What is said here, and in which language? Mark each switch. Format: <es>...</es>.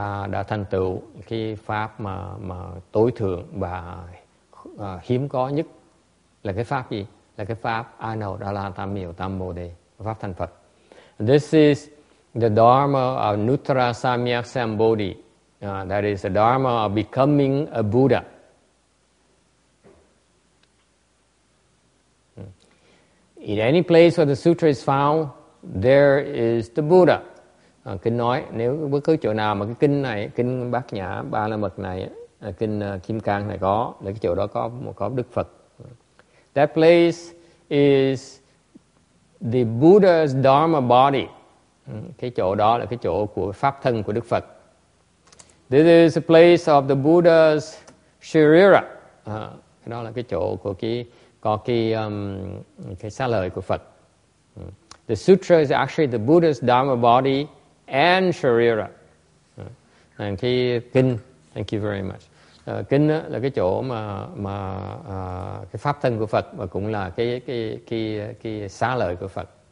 <vi>Đã thành tựu cái pháp mà tối thượng và hiếm có nhất là cái pháp gì? Là cái pháp Anuttara Tam Miểu Tam Bồ Đề, pháp thành Phật.</vi> <en>This is the Dharma of Nuttara Samyak Sambodhi. That is the Dharma of becoming a Buddha. In any place where the sutra is found, there is the Buddha.</en> <vi>Kinh nói nếu bất cứ chỗ nào mà cái kinh này, kinh Bát Nhã Ba La Mật này, kinh Kim Cang này có, là cái chỗ đó có Đức Phật.</vi> <en>That place is the Buddha's Dharma body.</en> <vi>Cái chỗ đó là cái chỗ của pháp thân của Đức Phật.</vi> <en>This is the place of the Buddha's Sharira.</en> <vi>Cái đó là cái chỗ của cái có cái xá lợi của Phật.</vi> <en>The sutra is actually the Buddha's Dharma body and Sharira. And</en> <vi>cái kinh,</vi> <en>thank you very much.</en> <vi>Kinh là cái chỗ mà cái pháp thân của Phật và cũng là cái xá lợi của Phật.</vi>